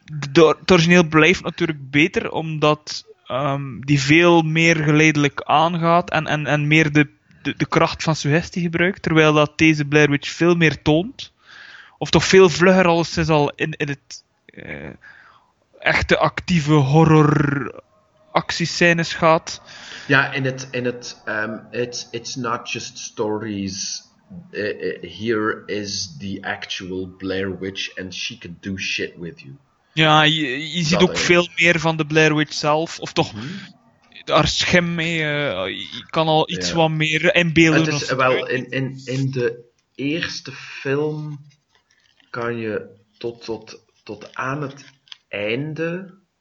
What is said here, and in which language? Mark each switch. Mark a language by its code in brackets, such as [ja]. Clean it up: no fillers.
[nl] Het origineel blijft natuurlijk beter, omdat die veel meer geleidelijk aangaat en meer de kracht van suggestie gebruikt, terwijl dat deze Blair Witch veel meer toont. Of toch veel vlugger als ze al in het echte actieve horror actiescènes gaat. Ja, in het [en] it's not just stories. Here is the actual Blair Witch and she can do shit with you. [nl] Ja, je ziet ook veel meer van de Blair Witch zelf. Of toch... Mm-hmm. Daar schem mee, je kan al iets wat meer inbeelden. Het is wel, in de eerste film kan je tot aan het einde...